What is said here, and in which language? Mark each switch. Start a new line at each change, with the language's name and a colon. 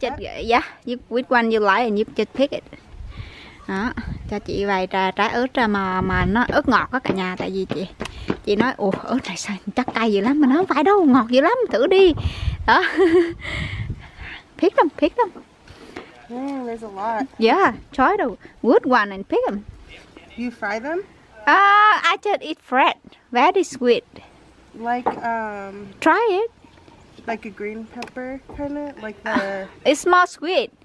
English: Just, yeah, which one you like and you just pick it.
Vietnamese: Đó, cho chị vài trái ớt mà nó ớt ngọt đó cả nhà. Tại vì chị nói, ồ ớt này sao chắc cay dữ lắm. Mà nó không phải đâu, ngọt dữ lắm, thử đi.
English: Đó. Pick them. There's a lot. Yeah, try the good one and pick them. Do you fry them? I just eat fried, very sweet. Like, Try it. Like a green pepper kind of, like the... It's more sweet.